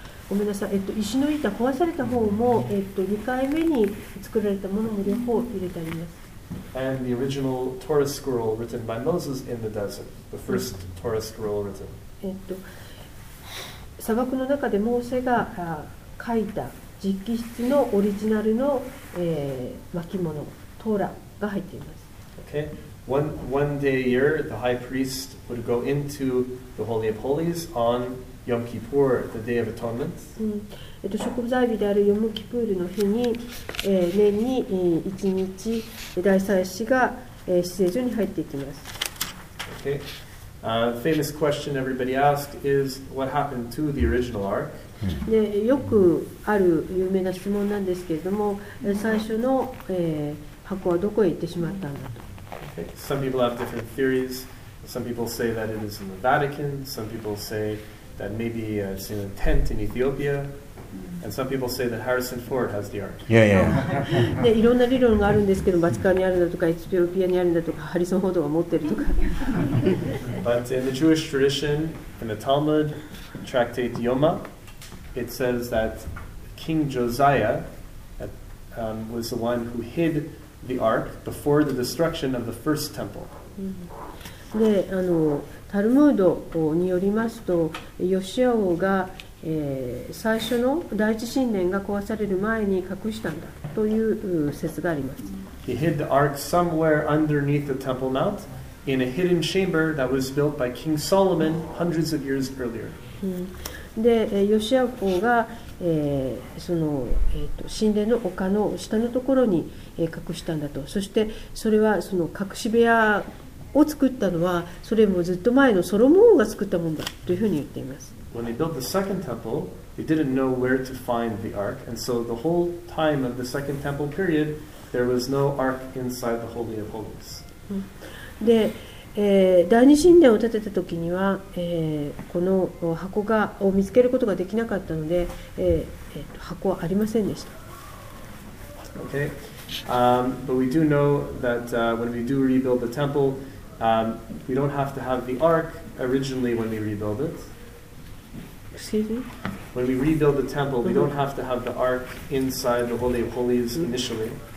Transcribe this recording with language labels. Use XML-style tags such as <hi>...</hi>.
<ja>ごめんなさい、石の板壊された方も、2回目に作られたものも両方入れてあります。</ja> <en>And the original Torah scroll written by Moses in the desert. The first Torah scroll written.</en> <ja>砂漠の中でモーセが書いた実機室のオリジナルの、巻物トーラが入っています。</ja> <en>Okay. One day a year, the high priest would go into the Holy of Holies on Yom Kippur, the Day of Atonement.</en> <ja>食材日であるヨムキプールの日に、年に一日大祭司が施政所に入っていきます。</ja> <en>Okay. The famous question everybody asked is, what happened to the original ark?</en> <ja>でよくある有名な質問なんですけれども、最初の、箱はどこへ行ってしまったんだと。</ja> <en>Okay. Some people have different theories. Some people say that it is in the Vatican. Some people say that maybe it's in a tent in Ethiopia. And some people say that Harrison Ford has the ark. Yeah, yeah.</en> <ja>でいろんな理論があるんですけど、バチカンにあるんだとか、エチオピアにあるんだとか、ハリソン・フォードが持ってるとか。</ja> <en>But in the Jewish tradition, in the Talmud, Tractate Yoma,It says that King Josiah was the one who hid the ark before the destruction of the first temple.</en> <ja>で、タルムードによりますと、ヨシア王が、最初の第一神殿が壊される前に隠したんだという説があります。</ja> <en>He hid the ark somewhere underneath the Temple Mount in a hidden chamber that was built by King Solomon hundreds of years earlier.</en> <ja>でヨシア王が、その、神殿の丘の下のところに、隠したんだと。そしてそれはその隠し部屋を作ったのはそれもずっと前のソロモン王が作ったものだというふうに言っています。</ja> <en>When they built the second temple, they didn't know where to find the ark. And so the whole time of the second temple period, there was no ark inside the Holy of Holies.</en> <ja>で第二神殿を建てた時には、この箱がを見つけることができなかったので、箱はありませんでした。</ja> <en>Okay. But we do know that when we do rebuild the temple, we don't have to have the ark originally when we rebuild it. Excuse me? When we rebuild the temple, we don't have to have the ark inside the Holy of Holies initially.</en>